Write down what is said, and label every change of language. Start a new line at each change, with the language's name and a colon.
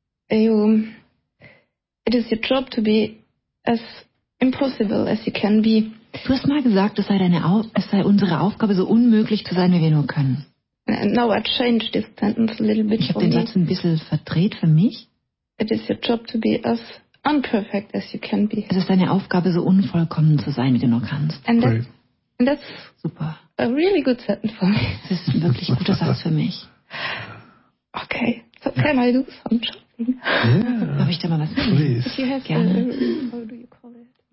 English: It is your job to be as impossible as you can be.
German: Du hast mal gesagt, es sei unsere Aufgabe, so unmöglich zu sein, wie wir nur können.
English: And now I changed this sentence a little bit.
German: Ich habe den Satz ein bisschen verdreht für mich.
English: It is your job to be as unperfect as you can be.
German: Es ist deine Aufgabe, so unvollkommen zu sein, wie du nur kannst.
English: And that's super. A really good sentence for me.
German: Das ist ein wirklich guter Satz für mich.
English: Okay, so can I do some shopping? Yeah.
German: Habe ich da mal was?
English: Please. If you have
German: gerne.
English: How do you call it?